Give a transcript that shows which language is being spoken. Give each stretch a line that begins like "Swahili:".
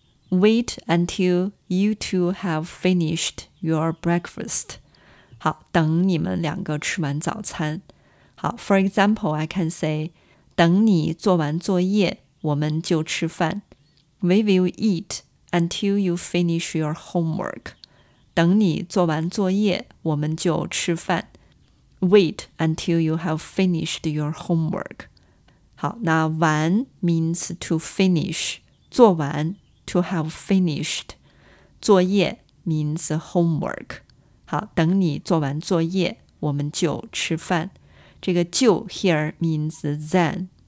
English: Wait until you two have finished your breakfast.
Chinese: 好，等你们两个吃完早餐。好，
English: for example, I can say,
Chinese: 等你做完作业我们就吃饭。
English: We will eat until you finish your homework.
Chinese: 等你做完作业我们就吃饭。
English: Wait until you have finished your homework.
Chinese: 好，那完
English: means to finish. 做完 to have finished.
Chinese: 作业
English: means homework.
Chinese: 好，等你做完作业我们就吃饭。这个就
English: here means then.